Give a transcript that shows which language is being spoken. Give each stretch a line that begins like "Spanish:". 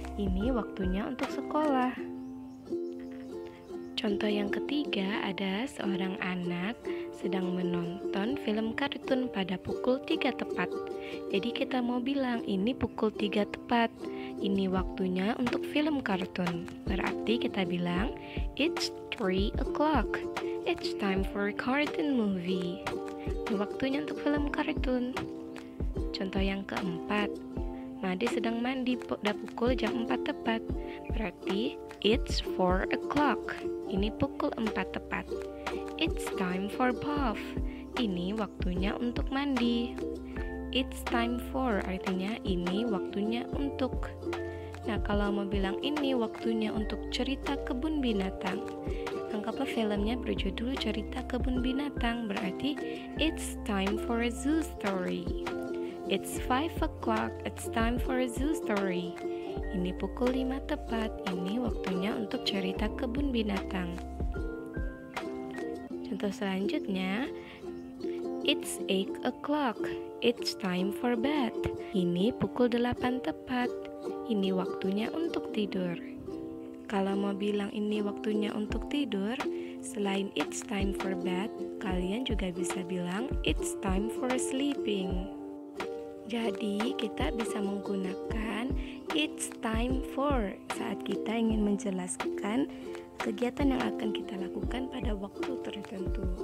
Indonesian: Ini waktunya untuk sekolah. Contoh yang ketiga, ada seorang anak sedang menonton film kartun pada pukul 3 tepat. Jadi kita mau bilang ini pukul 3 tepat, ini waktunya untuk film kartun. Berarti kita bilang
English: it's 3 o'clock, it's time for a cartoon movie.
Indonesian: Waktunya untuk film kartun. Contoh yang keempat, Madi sedang mandi pada pukul jam 4 tepat. Berarti
English: it's 4 o'clock.
Indonesian: Ini pukul 4 tepat.
English: It's time for bath.
Indonesian: Ini waktunya untuk mandi.
English: It's time for
Indonesian: artinya ini waktunya untuk. Nah, kalau mau bilang ini waktunya untuk cerita kebun binatang, anggaplah filmnya berjudul Cerita Kebun Binatang, berarti
English: it's time for a zoo story. It's 5 o'clock, it's time for a zoo story.
Indonesian: Ini pukul 5 tepat, ini waktunya untuk cerita kebun binatang. Contoh selanjutnya,
English: it's 8 o'clock, it's time for bed.
Indonesian: Ini pukul 8 tepat, ini waktunya untuk tidur. Kalau mau bilang ini waktunya untuk tidur, selain
English: it's time for bed,
Indonesian: kalian juga bisa bilang
English: it's time for sleeping.
Indonesian: Jadi kita bisa menggunakan
English: it's time for
Indonesian: saat kita ingin menjelaskan kegiatan yang akan kita lakukan pada waktu tertentu.